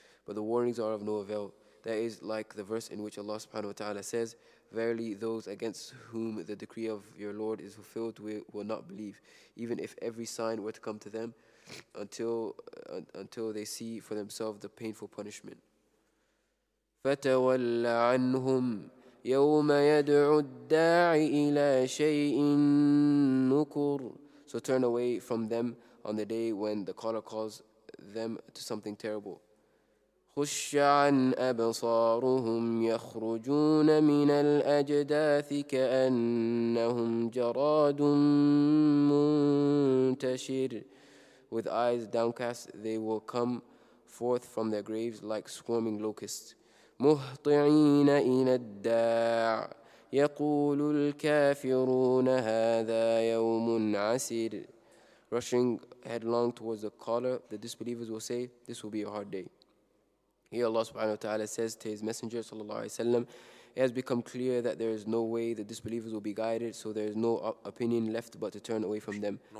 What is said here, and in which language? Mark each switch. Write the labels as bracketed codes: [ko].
[en] But the warnings are of no avail. That is like the verse in which Allah subhanahu wa ta'ala says, "Verily those against whom the decree of your Lord is fulfilled will not believe, even if every sign were to come to them, until they see for themselves the painful punishment." [ar] فتول عنهم يوم يدعو الداعي إلى شيء نكر. [en] So turn away from them on the day when the caller calls them to something terrible. [ar] خش عن أبصارهم يخرجون من الأجداث كأنهم جراد منتشر. [en] With eyes downcast, they will come forth from their graves like swarming locusts. [ar] مهطعين إلى الداع يقول الكافرون هذا يوم عسير. [en] Rushing headlong towards the caller, the disbelievers will say, "This will be a hard day." Here Allah subhanahu wa ta'ala says to His Messenger sallallahu alayhi wa sallam, "It has become clear that there is no way the disbelievers will be guided, so there is no opinion left but to turn away from them."